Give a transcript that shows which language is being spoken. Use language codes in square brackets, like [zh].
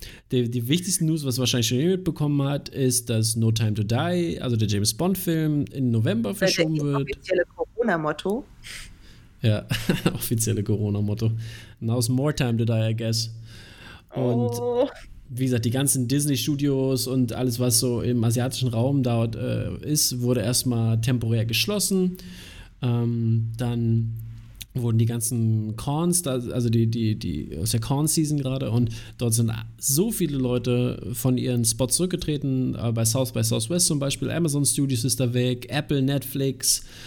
[de] Die wichtigste News, was wahrscheinlich schon jemand mitbekommen hat, ist, dass No Time to Die, also der James Bond Film, in November verschoben wird. Das offizielle Corona-Motto. Ja, offizielle Corona-Motto. [en] Now's more time to die, I guess. [de] Und wie gesagt, die ganzen Disney-Studios und alles, was so im asiatischen Raum dort ist, wurde erstmal temporär geschlossen. Dann wurden die ganzen Cons, also die ist ja Con-Season gerade und dort sind so viele Leute von ihren Spots zurückgetreten, bei South by Southwest zum Beispiel, Amazon Studios ist da weg, Apple, Netflix,